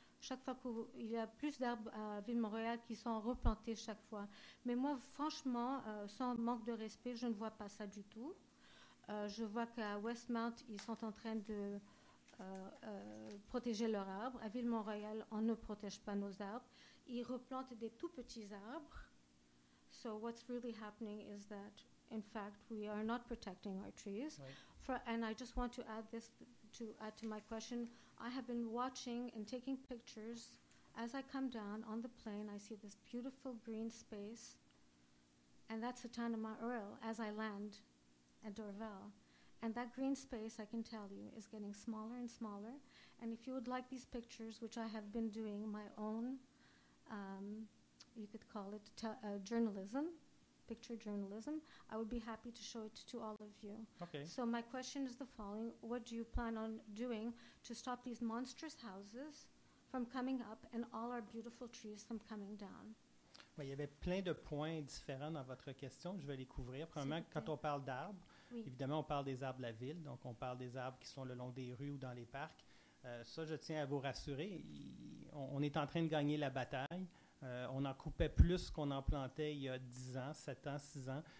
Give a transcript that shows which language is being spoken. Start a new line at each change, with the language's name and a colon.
French: Chaque fois qu'il y a plus d'arbres à Ville-Montréal qui sont replantés chaque fois. Mais moi, franchement, sans manque de respect, je ne vois pas ça du tout. Je vois qu'à Westmount, ils sont en train de protéger leurs arbres. À Ville-Montréal, on ne protège pas nos arbres. Ils replantent des tout petits arbres.
English: So what's really happening is that, in fact, we are not protecting our trees. Right. And I just want to add this, to add to my question. I have been watching and taking pictures as I come down on the plane. I see this beautiful green space, and that's the town of Mount Royal as I land at Dorval. And that green space, I can tell you, is getting smaller and smaller. And if you would like these pictures, which I have been doing my own, you could call it journalism, picture journalism, I would be happy to show it to all of you. Okay. So my question is the following. What do you plan on doing to stop these monstrous houses from coming up and all our beautiful trees from coming down?
French: Il y avait plein de points différents dans votre question. Je vais les couvrir. Premièrement, quand on parle d'arbres, évidemment, on parle des arbres de la ville. Donc, on parle des arbres qui sont le long des rues ou dans les parcs. Ça, je tiens à vous rassurer. On est en train de gagner la bataille. On en coupait plus qu'on en plantait il y a 10 ans, 7 ans, 6 ans.